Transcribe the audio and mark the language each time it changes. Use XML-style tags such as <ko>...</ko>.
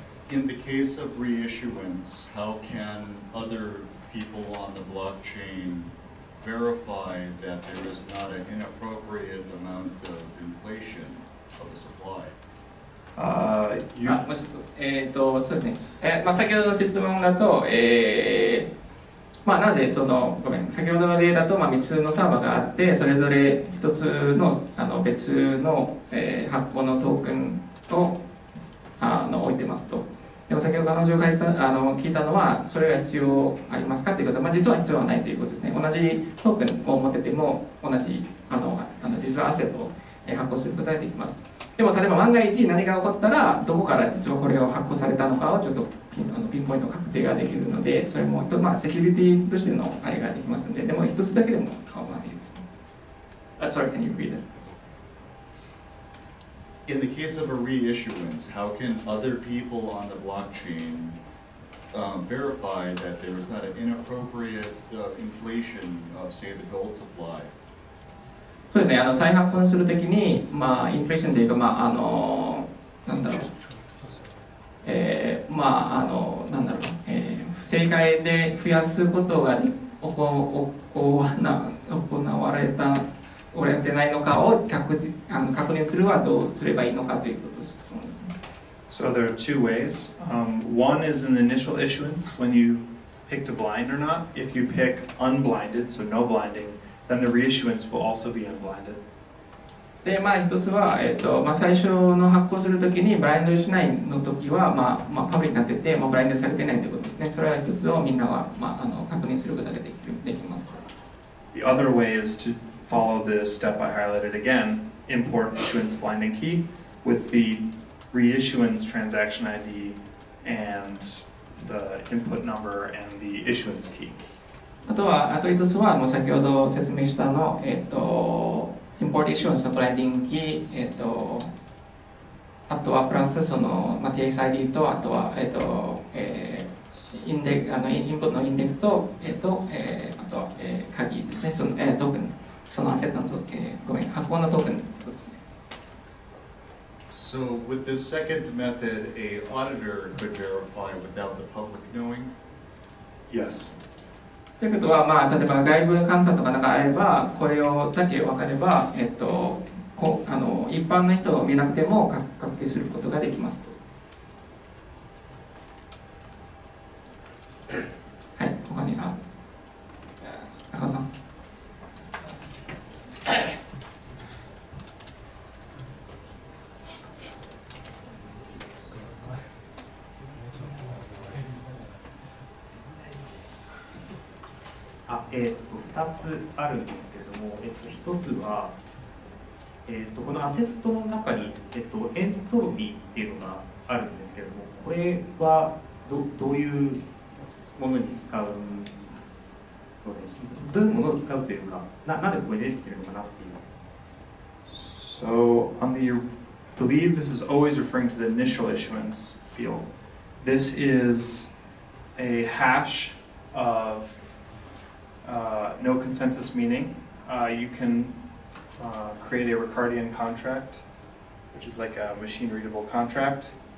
<en>in the case of reissuance, how can other people on the blockchain verify that there is not an inappropriate amount of inflation of the supply?</en> <ja>まあ、なぜそのごめん先ほどの例だと、まあ、3つのサーバーがあってそれぞれ1つ の, あの別の、発行のトークンをあの置いてますと。でも先ほど彼女が言ったあの聞いたのはそれが必要ありますかということは、まあ、実は必要はないということですね。同じトークンを持ってても同じあのデジタルアセットを発行することができます。でも例えば万が一何が起こったらどこから実はこれを発行されたのかをちょっとピンポイント確定ができるのでそれも、まあ、セキュリティとしてのあれができますのででも一つだけでも変わらないです。</ja> <en>Sorry, can you read it? In the case of a reissuance, how can other people on the blockchain verify that there is not an inappropriate inflation of, say, the gold supply?</en> <ja>そうですね、あの再発行するときに、まあ、インフレーションというか、まあ、あのなんだろう、まあ、あのなんだろう、不正解で増やすことが行われてないのかを 確認するはどうすればいいのかということを質問ですね。</ja> <en>So there are two ways. One is in the initial issuance, when you pick to blind or not. If you pick unblinded, so no blinding,then the reissuance will also be unblinded.</en> <ja>で、まあ、一つは、まあ、最初の発行するときにブラインドしないのときは、まあまあ、パブリックになってて、まあ、ブラインドされてないということですね。それは一つをみんなは、まあ、あの確認することができます。</ja> <en>The other way is to follow the step I highlighted again, import issuance blinding key with the reissuance transaction ID and the input number and the issuance key.</en> <ja>あとは、あと一つは、もう先ほど説明したの、import issuance のブランディングキー、あとはプラスその、まあ、TXID と、あとは、インプットのインデックスと、あとは、鍵ですね、その、トークン、そのアセットのトークン、ごめん、発行のトークンですね。</ja> <en>So, with the second method, a auditor could verify without the public knowing? Yes.</en> <ja>ということは、まあ、例えば外部監査とかなんかあれば、これをだけ分かれば、あの一般の人を見なくても確定することができますと。はい、他に、あ、中尾さん。 2つあるんですけれども、1つは、このアセットの中に、エントロピーっていうのがあるんですけれども、これは どういうものに使うのでしょうか。どういうものを使うというか、なぜこれ出てきてるのかなっていう。</ja> <en>So, on the, I believe this is always referring to the initial issuance field. This is a hash ofno consensus meaning. You can create a Ricardian contract, which is like a machine readable contract.</en>